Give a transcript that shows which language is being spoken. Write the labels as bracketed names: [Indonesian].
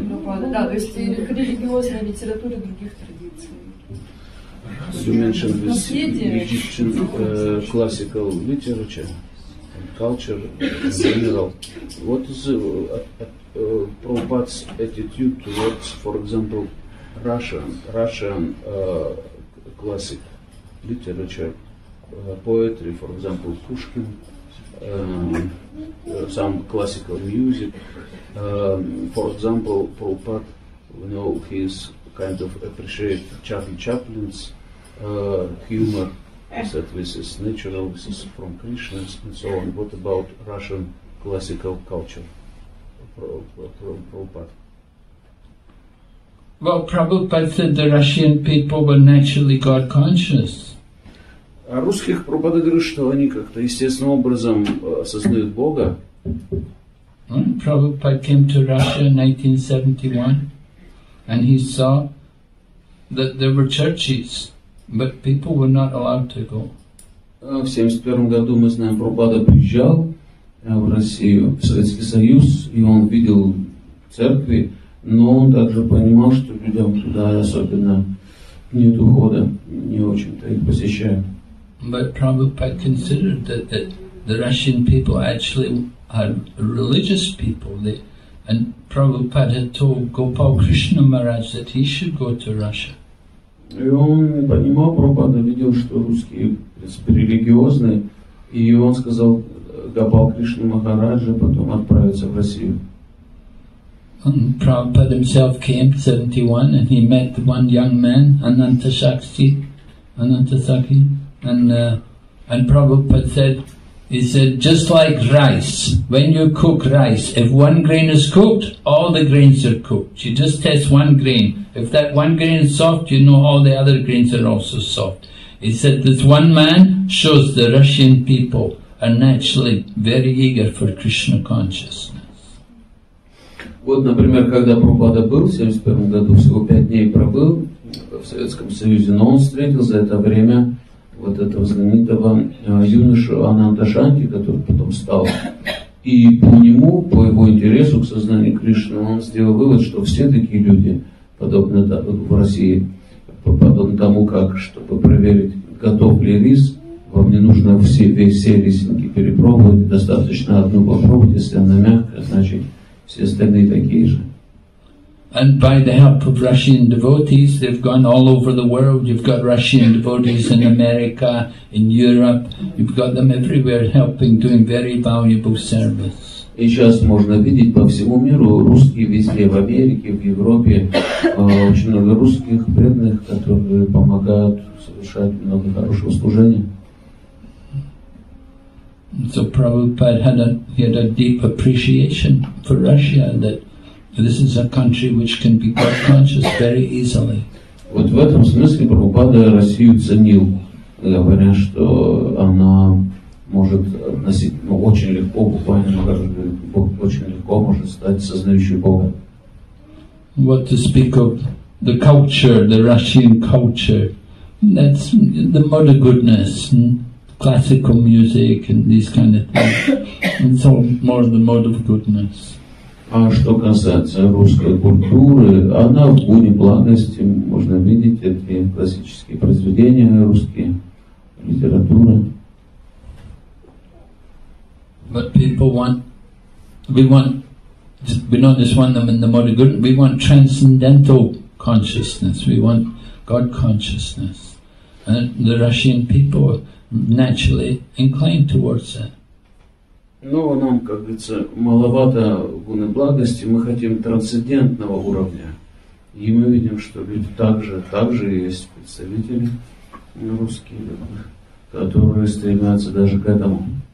[Russian] Прабхупады, да, то есть религиозная литература других традиций. [English] You mentioned this Egyptian classical literature, culture, general. What is Prabhupada's attitude towards, for example, Russian classic literature, poetry, for example, Pushkin, some classical music. For example, Prabhupada, you know, he's kind of appreciate Charlie Chaplin's humor, said this is natural, this is from Krishna, and so on. What about Russian classical culture, Prabhupada? Well, Prabhupada said the Russian people were naturally God-conscious. [Russian] А русских Прабхупада говорит, что они как-то естественным образом осознают Бога. [English] Prabhupada came to Russia in 1971, and he saw that there were churches, but people were not allowed to go. [Russian] В 71 году, мы знаем, Прабхупада приезжал в Россию, в Советский Союз, и он видел церкви, но он также понимал, что людям туда особенно нет ухода, не очень-то их посещают. [English] But Prabhupada considered that the Russian people actually are religious people. And Prabhupada had told Gopal Krishna Maharaj that he should go to Russia. [Russian] И он понимал, Прабхупада видел, что русские, в принципе, религиозные, и он сказал Гопал Кришна Махараджа потом отправиться в Россию. [English] And Prabhupada himself came in 71 and he met one young man, Anantasaki, and Prabhupada said, just like rice, when you cook rice, if one grain is cooked, all the grains are cooked. You just test one grain. If that one grain is soft, you know all the other grains are also soft. He said, this one man shows the Russian people are naturally very eager for Krishna consciousness. [Russian] Вот, например, когда Прабхупада был в 71 году, всего 5 дней пробыл в Советском Союзе, но он встретил за это время вот этого знаменитого юноша Ананда Шанти, который потом стал. И по нему, по его интересу к сознанию Кришны, он сделал вывод, что все такие люди, подобно в России, подобно тому, как, чтобы проверить, готов ли рис, вам не нужно все рисинки перепробовать, достаточно одну попробовать, если она мягкая, значит, все остальные такие же. [English] And by the help of Russian devotees, they've gone all over the world. You've got Russian devotees in America, in Europe. You've got them everywhere helping, doing very valuable service. [Russian] И сейчас можно видеть по всему миру русские везде, в Америке, в Европе, очень много русских преданных, которые помогают совершать много хорошего служения. [English] So Prabhupada had a deep appreciation for Russia that this is a country which can be God conscious very easily. [Russian] Вот в этом смысле Прабхупада Россию ценил, говоря, что она может относить, ну, очень легко, буквально, очень легко может стать сознающей Бога. [English] What to speak of the culture, the Russian culture, that's the mother goodness, classical music and these kind of things. It's all more the mode of goodness. [Russian] А что касается русской культуры, она в гуне благости, можно видеть эти классические произведения русские, литература. [English] But people want, we not just want them in the mode of goodness, we want transcendental consciousness, we want God consciousness. And the Russian people are naturally inclined towards that. [Russian] Но нам, как говорится, маловато гуны благости, мы хотим трансцендентного уровня. И мы видим, что люди также есть представители русские, которые стремятся даже к этому.